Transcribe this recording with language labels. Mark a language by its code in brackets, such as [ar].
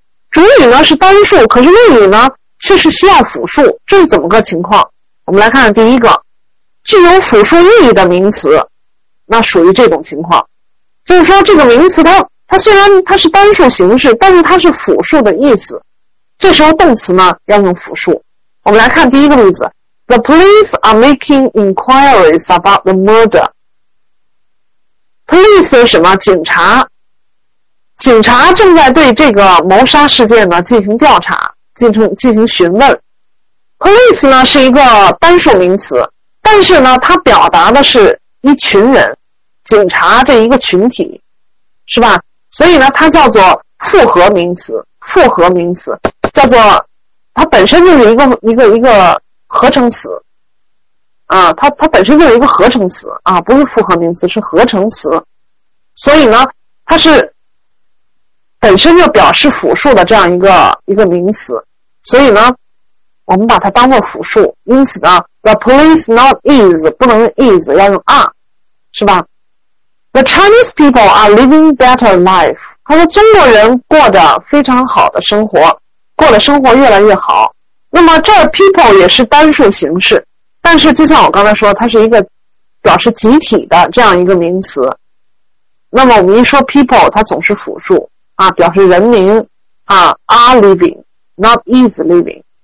[zh] 主语呢是单数，可是谓语呢却是需要复数，这是怎么个情况？我们来看看第一个，具有复数意义的名词，那属于这种情况，就是说这个名词它虽然它是单数形式，但是它是复数的意思，这时候动词呢要用复数。我们来看第一个例子， [en] The police are making inquiries about the murder. [zh] Police 是什么？警察。警察正在对这个谋杀事件呢进行调查，进行询问。 Police 呢是一个单数名词，但是呢它表达的是一群人，警察这一个群体，是吧？所以呢它叫做复合名词，复合名词叫做它本身就是一个合成词啊，它本身就是一个合成词啊，不是复合名词，是合成词。所以呢它是本身就表示复数的这样一个名词，所以呢我们把它当作复数。因此呢 [en] the police not is [zh] 不能 is， 要用 are， 是吧？ [en] The Chinese people are living better life， [zh] 他说中国人过着非常好的生活，过的生活越来越好。那么这 people 也是单数形式，但是就像我刚才说，它是一个表示集体的这样一个名词，那么我们一说 people 它总是复数啊，表示人民啊 ， [en] are living， not is living。